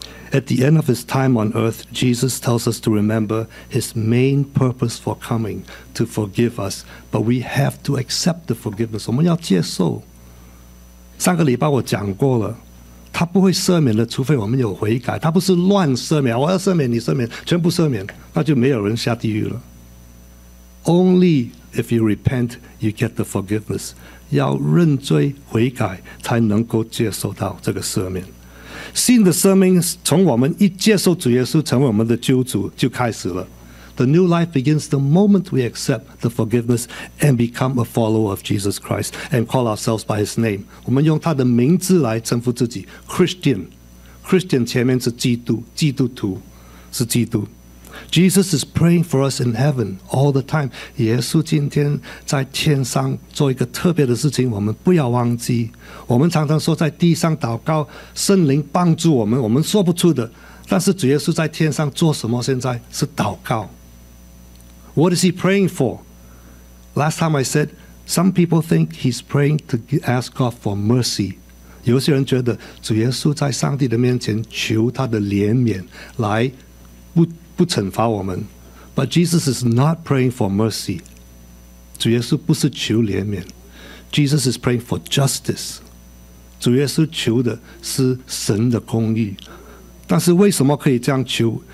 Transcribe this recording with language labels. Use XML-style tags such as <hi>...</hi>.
<en>At the end of his time on earth, Jesus tells us to remember his main purpose for coming, to forgive us. But we have to accept the forgiveness.</en> <zh>我们要接受。上个礼拜我讲过了，他不会赦免的，除非我们有悔改。他不是乱赦免，我要赦免你赦免，全部赦免，那就没有人下地狱了。</zh> <en>Only if you repent, you get the forgiveness.</en> <zh>要认罪悔改，才能够接受到这个赦免。新的生命从我们一接受主耶稣成为我们的救主就开始了。</zh> <en>The new life begins the moment we accept the forgiveness and become a follower of Jesus Christ and call ourselves by his name.</en> <zh>我们用他的名字来称呼自己， Christian. Christian 前面是基督，基督徒是基督。</zh> <en>Jesus is praying for us in heaven all the time.</en> <zh>耶稣今天在天上做一个特别的事情，我们不要忘记。我们常常说在地上祷告，圣灵帮助我们，我们说不出的。但是主耶稣在天上做什么？现在是祷告。</zh> <en>What is he praying for? Last time I said, some people think he's praying to ask God for mercy.</en> <zh>有些人觉得主耶稣在上帝的面前求他的怜悯，来不惩罚我们。</zh> <en>But Jesus is not praying for mercy.</en> <zh>主耶稣不是求怜悯。</zh> <en>Jesus is praying for justice.</en> <zh>主耶稣求的是神的公义。但是为什么可以这样求？</zh>